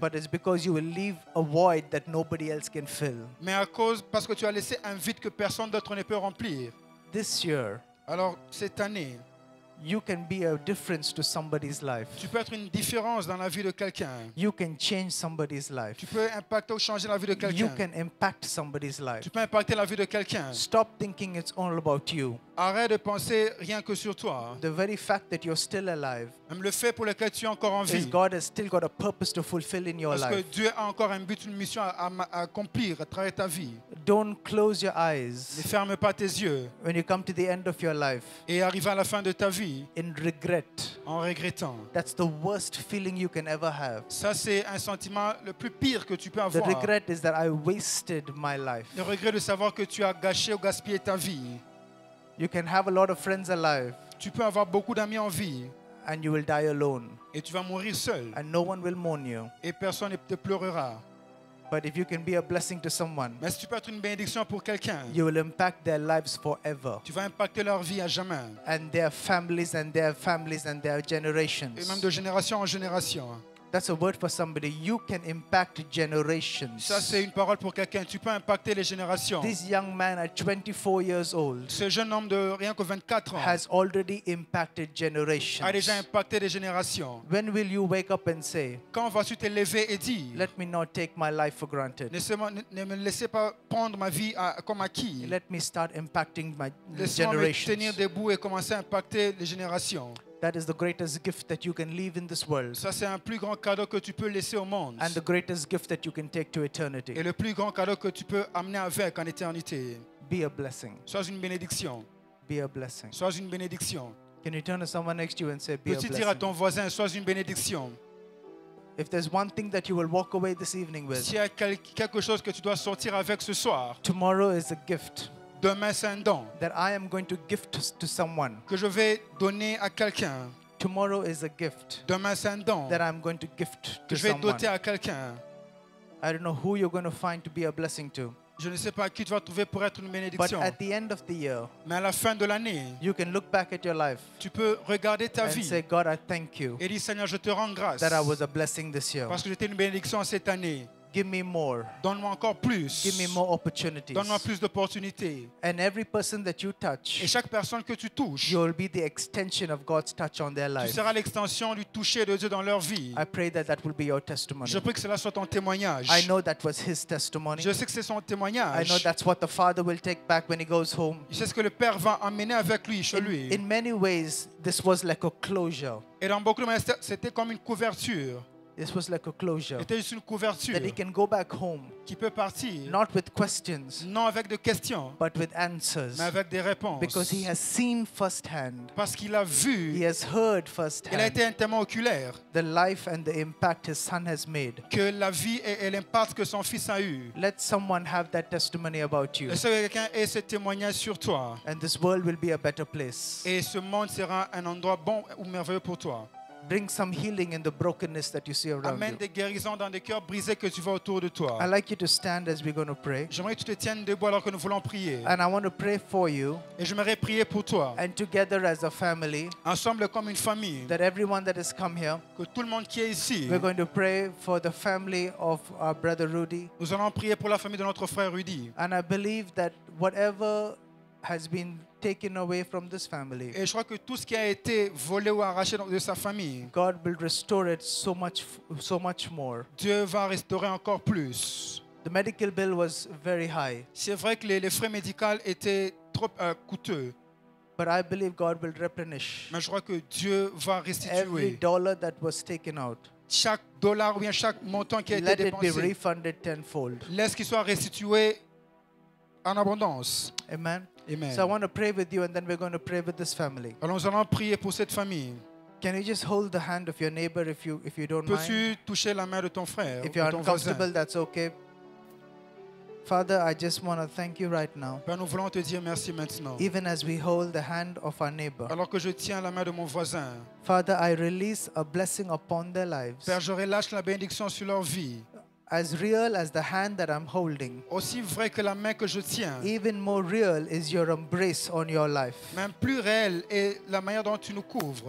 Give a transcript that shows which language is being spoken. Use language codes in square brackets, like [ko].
[en] But it's because you will leave a void that nobody else can fill. [fr] Mais à cause parce que tu as laissé un vide que personne d'autre ne peut remplir. [en] This year. [fr] Alors cette année. [en] You can be a difference to somebody's life. [fr] Tu peux être une différence dans la vie de quelqu'un. [en] You can change somebody's life. [fr] Tu peux impacter ou changer la vie de quelqu'un. [en] You can impact somebody's life. [fr] Tu peux impacter la vie de quelqu'un. [en] Stop thinking it's all about you. [fr] Arrête de penser rien que sur toi. [en] The very fact that you're still alive. [fr] Même le fait pour lequel tu es encore en vie. [en] Is God has still got a purpose to fulfill in your life. [fr] Parce que Dieu a encore un but, une mission à accomplir à travers ta vie. [en] Don't close your eyes. [fr] Ne ferme pas tes yeux. [en] When you come to the end of your life. [fr] Et arrive à la fin de ta vie. [en] In regret. [fr] En regrettant. [en] That's the worst feeling you can ever have. [fr] Ça c'est un sentiment le plus pire que tu peux avoir. [en] The regret is that I wasted my life. [fr] Le regret de savoir que tu as gâché ou gaspillé ta vie. [en] You can have a lot of friends alive. [fr] Tu peux avoir beaucoup d'amis en vie. [en] And you will die alone. [fr] Et tu vas mourir seul. [en] And no one will mourn you. [fr] Et personne ne te pleurera. [en] But if you can be a blessing to someone, [fr] mais si tu peux être une bénédiction pour quelqu'un, [en] you will impact their lives forever. [fr] Tu vas impacter leur vie à jamais. [en] And their families and their families and their generations. [fr] Et même de génération en génération. [en] That's a word for somebody. You can impact generations. [fr] Ça c'est une parole pour quelqu'un. Tu peux impacter les générations. [en] This young man at 24 years old. [fr] Ce jeune homme de rien que 24 ans. [en] Has already impacted generations. [fr] A déjà impacté des générations. [en] When will you wake up and say? [fr] Quand vas-tu te lever et dire? [en] Let me not take my life for granted. [fr] Ne me laissez pas prendre ma vie comme acquis. [en] Let me start impacting my generations. [fr] Laisse-moi tenir debout et commencer à impacter les générations. [en] That is the greatest gift that you can leave in this world. [fr] Ça c'est un plus grand cadeau que tu peux laisser au monde. [en] And the greatest gift that you can take to eternity. [fr] Et le plus grand cadeau que tu peux amener avec en éternité. [en] Be a blessing. [fr] Sois une bénédiction. [en] Be a blessing. [fr] Sois une bénédiction. [en] Can you turn to someone next to you and say, "Be a blessing"? [fr] Peux-tu dire à ton voisin, sois une bénédiction. [en] If there's one thing that you will walk away this evening with. [fr] S'il y a quelque chose que tu dois sortir avec ce soir. [en] Tomorrow is a gift. [fr] Demain, c'est un don. [en] That I am going to gift to someone. [fr] Que je vais donner à quelqu'un. [en] Tomorrow is a gift. [fr] Demain, c'est un don. [en] That I am going to gift to someone. [fr] Que je vais doter à quelqu'un. [en] I don't know who you're going to find to be a blessing to. [fr] Je ne sais pas qui tu vas trouver pour être une bénédiction. [en] But at the end of the year, [fr] mais à la fin de l'année, [en] you can look back at your life, [fr] tu peux regarder ta [en] and [fr] vie [en] say, God, I thank you, [fr] et dire, Seigneur, je te rends grâce [en] that I was a blessing this year. [fr] Parce que j'étais une bénédiction cette année. [en] Give me more. [fr] Donne-moi encore plus. [en] Give me more opportunities. [fr] Donne-moi plus d'opportunités. [en] And every person that you touch, [fr] et chaque personne que tu touches, [en] you'll be the extension of God's touch on their life. [fr] Tu seras l'extension du toucher de Dieu dans leur vie. [en] I pray that that will be your testimony. [fr] Je prie que cela soit ton témoignage. [en] I know that was his testimony. [fr] Je sais que c'est son témoignage. [en] I know that's what the father will take back when he goes home. [fr] Je sais ce que le père va emmener avec lui chez lui. [en] In many ways, this was like a closure. [fr] Et dans beaucoup de manières, c'était comme une couverture. [en] This was like a closure. [fr] C'était juste une couverture. [en] That he can go back home. [fr] Qui peut partir. [en] Not with questions. [fr] Non avec des questions. [en] But with answers. [fr] Mais avec des réponses. [en] Because he has seen firsthand. [fr] Parce qu'il a vu. [en] He has heard firsthand. [fr] Il a été un témoin oculaire. [en] The life and the impact his son has made. [fr] Que la vie et l'impact que son fils a eu. [en] Let someone have that testimony about you. [fr] Laisse quelqu'un ait ce témoignage sur toi. [en] And this world will be a better place. [fr] Et ce monde sera un endroit bon ou merveilleux pour toi. [en] Bring some healing in the brokenness that you see around you. [fr] Amène des guérisons dans les cœurs brisés que tu vois autour de toi. [en] I'd like you to stand as we're going to pray. [fr] J'aimerais que tu te tiennes debout alors que nous voulons prier. [en] And I want to pray for you. [fr] Et j'aimerais prier pour toi. [en] And together as a family. [fr] Ensemble comme une famille. [en] That everyone that has come here. [fr] Que tout le monde qui est ici. [en] We're going to pray for the family of our brother Rudy. [fr] Nous allons prier pour la famille de notre frère Rudy. [en] And I believe that whatever has been taken away from this family. [fr] Et je crois que tout ce qui a été volé ou arraché de sa famille. [en] God will restore it so much more. [fr] Dieu va restaurer encore plus. [en] The medical bill was very high. [fr] C'est vrai que les frais médicaux étaient trop coûteux. [en] But I believe God will replenish. [fr] Mais je crois que Dieu va restituer. [en] Every dollar that was taken out. [fr] Chaque dollar ou bien chaque montant qui a été dépensé. [en] Let it be refunded tenfold. [fr] Laisse qu'il soit restitué en abondance. [en] Amen. [fr] Amen. [en] So I want to pray with you and then we're going to pray with this family. [fr] Alors, nous allons prier pour cette famille. [en] Can you just hold the hand of your neighbor if you don't [fr] peux-tu [en] mind? [fr] Peux-tu toucher la main de ton frère? [en] If you're uncomfortable, [fr] voisin? [en] That's okay. Father, I just want to thank you right now. [fr] Père, nous voulons te dire merci maintenant. [en] Even as we hold the hand of our neighbor. [fr] Alors que je tiens la main de mon voisin. [en] Father, I release a blessing upon their lives. [fr] Père, je relâche la bénédiction sur leur vie. [en] As real as the hand that I'm holding. [fr] Aussi vrai que la main que je tiens. [en] Even more real is your embrace on your life. [fr] Même plus réel est la manière dont tu nous couvres.